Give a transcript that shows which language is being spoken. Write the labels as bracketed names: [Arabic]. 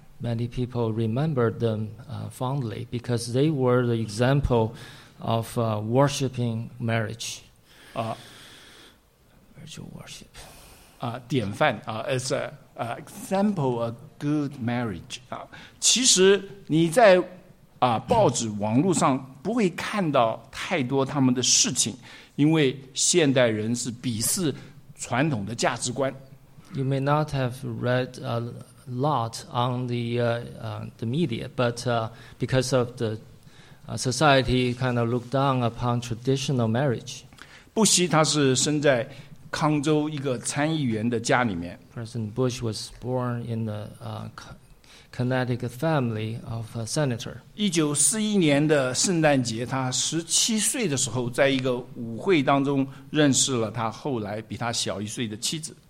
[English] Many people remember them fondly because they were the example of worshiping marriage. Virtual worship. It's an example of good marriage. [Chinese] 其实你在报纸网络上不会看到太多他们的事情，因为现代人是鄙视传统的价值观。 [English] You may not have read a lot on the media, but because of the society kind of looked down upon traditional marriage. [Chinese] 布希他是生在康州一个参议员的家里面。 [English] President Bush was born in the Connecticut family of a senator. [Chinese] 1941年的圣诞节，他17岁的时候，在一个舞会当中认识了他后来比他小一岁的妻子。